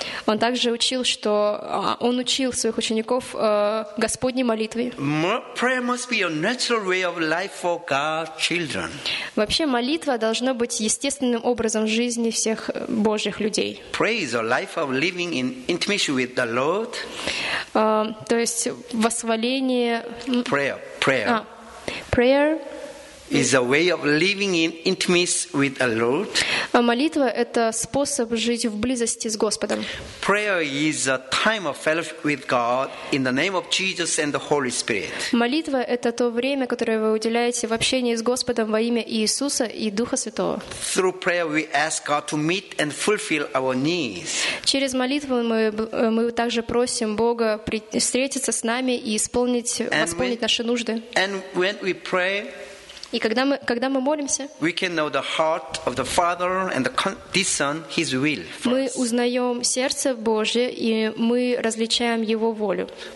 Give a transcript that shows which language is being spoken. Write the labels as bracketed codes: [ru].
[ru] Он также учил, что он учил своих учеников Господней молитве. [en] Prayer must be a natural way of life for God's children. [ru] Вообще молитва должна быть естественным образом жизни всех Божьих людей. [en] Prayer is a life of living in intimacy with the Lord. [ru] То есть восхваление. [en] Prayer. Prayer. Is a way of living in intimacy with the Lord. [ru] А молитва — это способ жить в близости с Господом. [en] Prayer is a time of fellowship with God in the name of Jesus and the Holy Spirit. [ru] Молитва — это то время, которое вы уделяете в общении с Господом во имя Иисуса и Духа Святого. [en] Through prayer we ask God to meet and fulfill our needs. [ru] Через молитву мы также просим Бога встретиться с нами и восполнить наши нужды. [en] And when we pray, [ru] и когда мы молимся, мы узнаем сердце Божье и мы различаем Его волю.